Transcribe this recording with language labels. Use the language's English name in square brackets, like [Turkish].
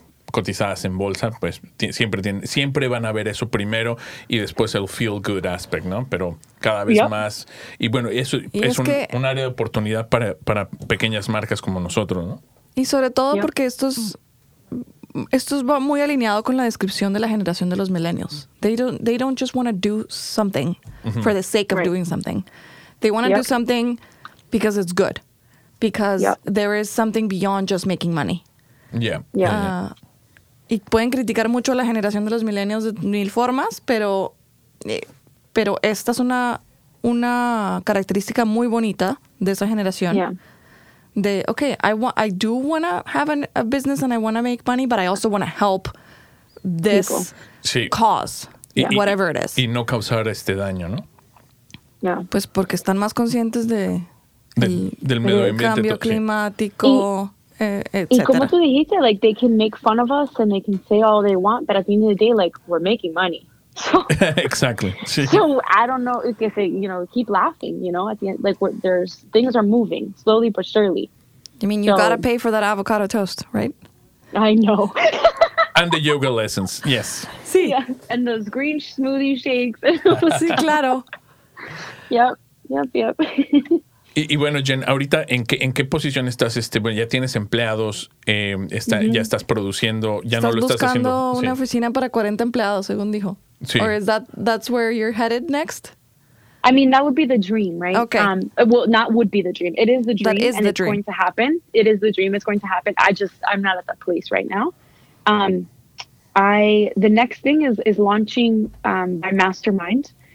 [Spanish] cotizadas en bolsa, pues siempre van a ver eso primero y después el [English] feel good aspect, [Spanish] ¿no? Pero cada vez más. Y bueno, eso es un área de oportunidad para pequeñas marcas como nosotros, ¿no? Y sobre todo porque esto va muy alineado con la descripción de la generación de los millennials. [English] They don't just want to do something for the sake of doing something. They want to do something because it's good. Because there is something beyond just making money. [Spanish] Y pueden criticar mucho a la generación de los millennials de mil formas, pero esta es una característica muy bonita de esa generación. [English] De, okay, I do want to have a business and I want to make money, but I also want to help this cause, whatever it is. [Spanish] Y no causar este daño, ¿no? Pues porque están más conscientes del medio ambiente, cambio climático, etc. Y como tú dijiste, [English] like, they can make fun of us and they can say all they want, but at the end of the day, like, we're making money. Exactly. Sí. So I don't know if they, you know, keep laughing, you know, at the end, like, there's things are moving slowly but surely. You mean you gotta pay for that avocado toast, right? I know. And the yoga lessons, yes. [Spanish] Sí. [English] Yeah. And those green smoothie shakes. [Spanish] Sí, claro. [English] Yep. [Spanish] Y bueno, Jen, ahorita, ¿en qué posición estás? Bueno, ya tienes empleados, ya estás produciendo, ¿Estás buscando una oficina para 40 empleados, según dijo. Sí. [English] Or is that's where you're headed next? I mean, that would be the dream, right? Okay. Not would be the dream. It is the dream. Going to happen. It is the dream. It's going to happen. I'm not at that place right now. The next thing is launching my mastermind.